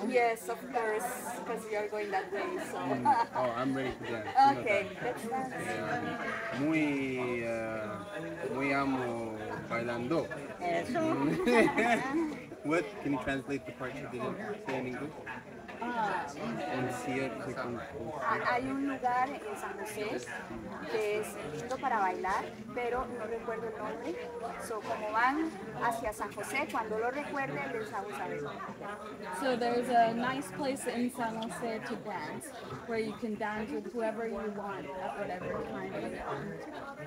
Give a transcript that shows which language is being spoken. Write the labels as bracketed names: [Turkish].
[English] Yes, of course, because we are going that way. So. Oh, I'm ready for that. Okay, let's dance. [Spanish] Muy amo bailando. Eso. [English] What? Can you translate the part you didn't say in English? [Spanish] Hay un lugar en San José que es lindo para bailar, pero no recuerdo el nombre. So, como van hacia San José, cuando lo recuerden, les hago saber. [English] So, there's a nice place in San José to dance, where you can dance with whoever you want, at whatever time you want.